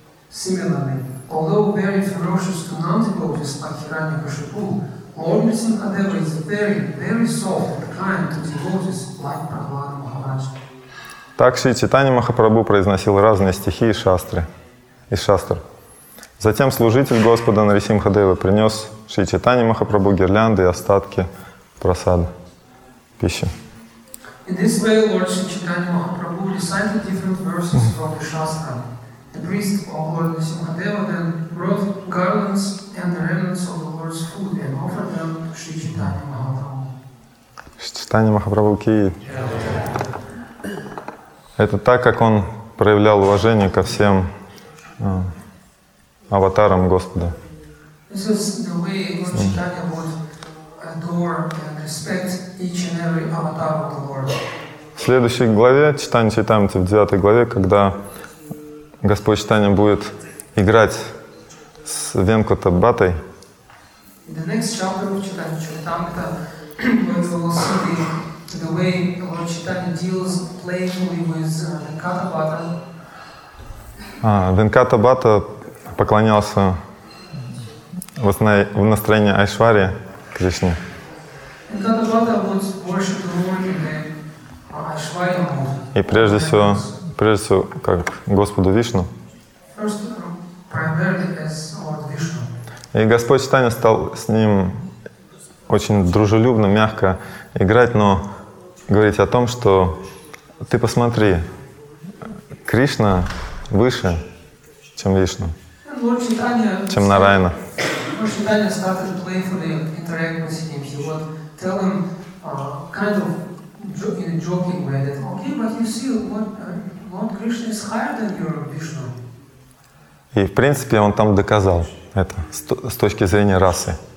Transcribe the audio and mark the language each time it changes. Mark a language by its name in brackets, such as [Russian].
[English] Similarly, although very ferocious to non-devotees like Хирани Кашипу, Lord Нарисимхадева is very, very soft and kind to devotees like Прохлада Махараджи. [Russian] Так Шри Чайтанья Махапрабху произносил разные стихи из шастры, из шастр. Затем служитель Господа Нарисимхадева принес Шри Чайтанья Махапрабху гирлянды и остатки прасада, пищи. [English] In this way, Lord Shri Chaitanya Mahaprabhu recited different verses from the Shastra. The priest of Lord Nisimhadeva then brought garlands and the remnants of the Lord's food and offered them to Shri Chaitanya Mahaprabhu. Shri Chaitanya Mahaprabhu ki. [Russian] Это так, как он проявлял уважение ко всем аватарам Господа. [English] This is the way Lord Chaitanya would adore and respect each and every avatar of the Lord. [Russian] В следующей главе Чайтанья Чайтамрита, в 9 главе, когда Господь Чайтанья будет играть с Венкута Бхатой. [English] In the next chapter of Чайтанья Чайтамрита, we will see the way Lord Chaitanya deals playfully with Venkata Bhata. [Russian] Venkata Bhata поклонялся в настроении Айшвари Кришне. [English] Venkata Bhata would worship the Lord in the Айшвари mood. [Russian] И прежде всего, как Господу Вишну. [English] First, primarily as Lord Vishnu. [Russian] И Господь Чайтанья стал с ним очень дружелюбно, мягко играть, но говорить о том, что ты посмотри, Кришна выше, чем Вишну, чем Нараяна. [English] Lord Chaitanya started playfully interacting with him. He would tell him kind of in a joking way that, okay, but you see, Lord Krishna is higher than your Vishnu. [Russian] И в принципе он там доказал это с точки зрения расы.